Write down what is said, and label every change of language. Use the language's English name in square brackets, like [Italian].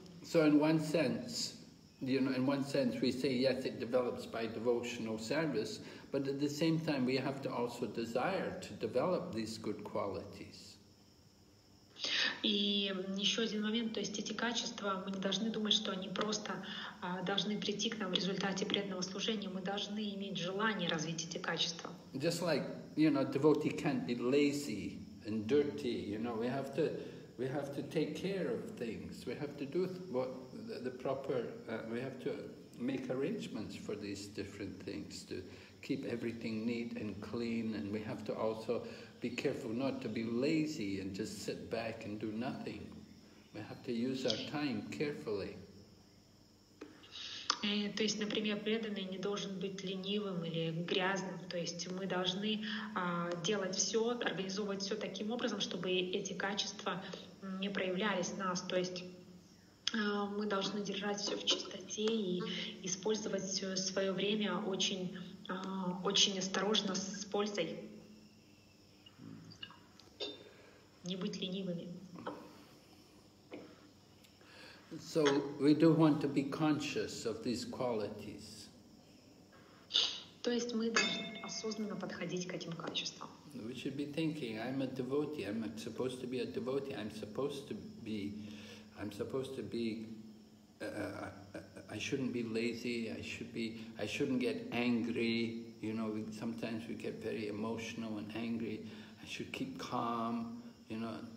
[English] So in one sense, you know, in one sense we say yes, it develops by devotional service, but at the same time we have to also desire to develop these good qualities. [Russian] И еще один момент, то есть эти качества, мы не должны думать, что они просто должны прийти к нам в результате преданного служения, мы должны иметь желание развить эти качества. [English] Just like, you know, a devotee can't be lazy and dirty, you know, we have to take care of things, we have to do what the proper, we have to make arrangements for these different things, to keep everything neat and clean, and we have to also be careful not to be lazy and just sit back and do nothing. We have to use our time carefully. [Russian] То есть, например, преданный не должен быть ленивым или грязным. То есть мы должны делать все, организовывать все таким образом, чтобы эти качества не проявлялись в нас. То есть мы должны держать все в чистоте и использовать все свое время очень осторожно с пользой. Не быть ленивыми. [English] So we do want to be conscious of these qualities. [Russian] То есть мы должны осознанно подходить к этим качествам. [English] We should be thinking, I'm a devotee, I'm supposed to be a devotee, I shouldn't be lazy, I shouldn't get angry, you know, sometimes we get very emotional and angry, I should keep calm, you know.